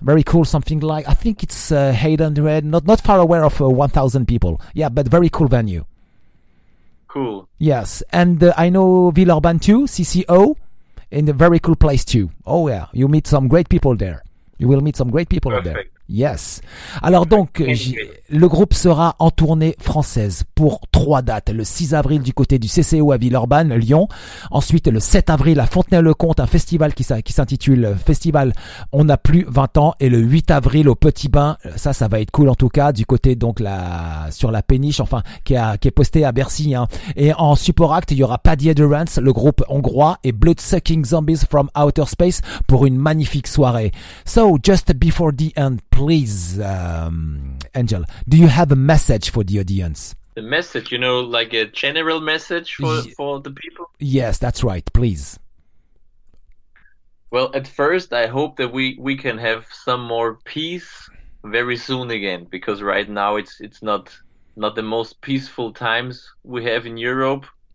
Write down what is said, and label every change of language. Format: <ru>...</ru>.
<en>Very cool, something like, I think it's 800, not far away of 1,000 people. Yeah, but very cool venue. Cool. Yes, and I know Villeurbanne too, CCO, in a very cool place too. Oh yeah, you meet some great people there. You will meet some great people there. Yes.</en> <fr>Alors donc, le groupe sera en tournée française pour 3 dates. Le 6 avril du côté du CCO à Villeurbanne, Lyon. Ensuite, le 7 avril à Fontenay-le-Comte, un festival qui s'intitule Festival On n'a plus 20 ans. Et le 8 avril au Petit Bain, ça va être cool en tout cas, du côté donc sur la péniche, enfin, qui est postée à Bercy. Hein. Et en support acte, il y aura Paddy Adherence, le groupe hongrois, et Blood-Sucking Zombies from Outer Space pour une magnifique soirée.</fr> <en>So, just before the end, please, Angel, do you have a message for the audience? The message, you know, like a general message for the people? Yes, that's right, please. Well, at first, I hope that we can have some more peace very soon again, because right now it's not the most peaceful times we have in Europe.</en>